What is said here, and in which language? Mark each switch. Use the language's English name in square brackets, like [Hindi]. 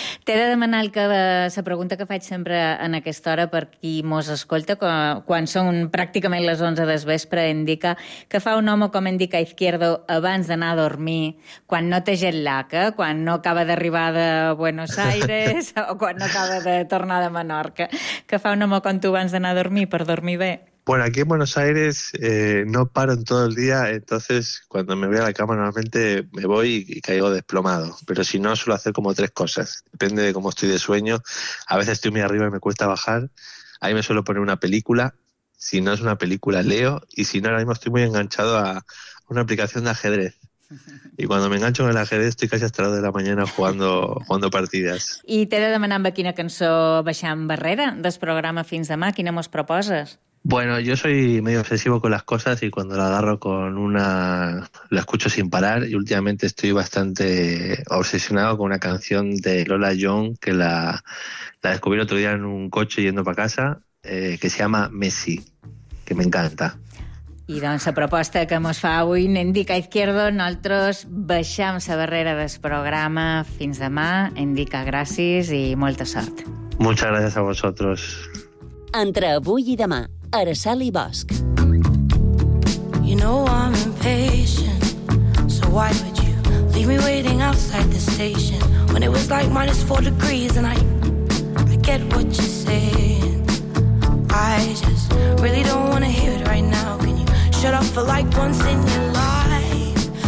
[Catalan] T'he de demanar la pregunta que faig sempre en aquesta hora per qui mos escolta, quan són pràcticament les 11 del vespre, Nendica, que fa un home com Nendica Izquierdo abans d'anar a dormir, quan no té jet lag, quan no acaba d'arribar de Buenos Aires o quan no acaba de tornar de Menorca, que fa un home com tu abans d'anar a dormir per dormir bé? [Spanish] Bueno, aquí en Buenos Aires no paro en todo el día, entonces cuando me voy a la cama normalmente me voy y caigo desplomado. Pero si no, suelo hacer como 3 cosas. Depende de cómo estoy de sueño. A veces estoy muy arriba y me cuesta bajar. Ahí me suelo poner una película. Si no es una película, leo. Y si no, ahora mismo estoy muy enganchado a una aplicación de ajedrez. Y cuando me engancho en el ajedrez estoy casi hasta las 2 de la mañana jugando partidas. [Catalan] I t'he de demanar amb quina cançó baixant barrera del programa fins demà. Quina mos proposes? [Spanish] Bueno, yo soy medio obsesivo con las cosas y cuando la agarro con una la escucho sin parar, y últimamente estoy bastante obsesionado con una canción de Lola Young que la descubrí el otro día en un coche yendo para casa, que se llama Messi, que me encanta. [Catalan] I doncs la proposta que mos fa avui Nendica Izquierdo, nosaltres baixem la barrera del programa fins demà. Nendica, gràcies i molta sort. [Spanish] Muchas gracias a vosotros. [Catalan] Entre avui i demà, Araceli Bosch. [English] You know I'm impatient, so why would you leave me waiting outside the station when it was like -4 degrees? And I get what you're saying. I just really don't want to hear it right now. Can you shut up for like once in your life?